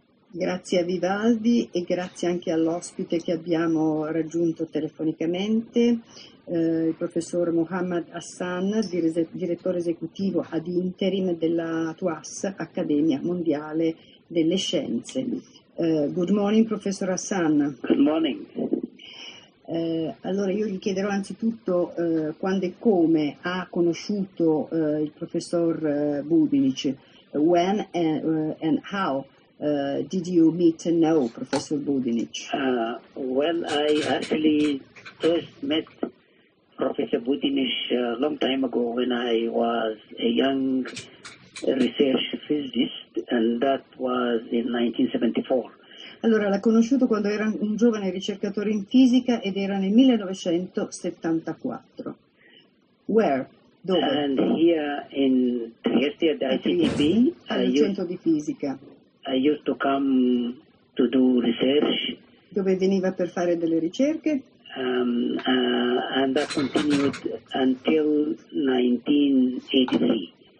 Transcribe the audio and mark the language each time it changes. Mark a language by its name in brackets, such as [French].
[Italian] Grazie a Vivaldi e grazie anche all'ospite che abbiamo raggiunto telefonicamente, il professor Mohammad Hassan, direttore esecutivo ad interim della TUAS, Accademia Mondiale delle Scienze. [English] Good morning, professor Hassan. Good morning. [Italian] Allora io gli chiederò anzitutto quando e come ha conosciuto il professor Bubinic, [English] when and how. Did you meet and know Professor Bubinic? Well, I actually first met Professor Bubinic a long time ago when I was a young research physicist, and that was in 1974. [Italian] Allora, l'ha conosciuto quando era un giovane ricercatore in fisica ed era nel 1974. [English] Where? [Italian] Dove? [English] And here in Trieste at the ICTB. [Italian] Al centro di fisica. [English] I used to come to do research. [Italian] Dove veniva per fare delle ricerche? [English] And that continued until 1983.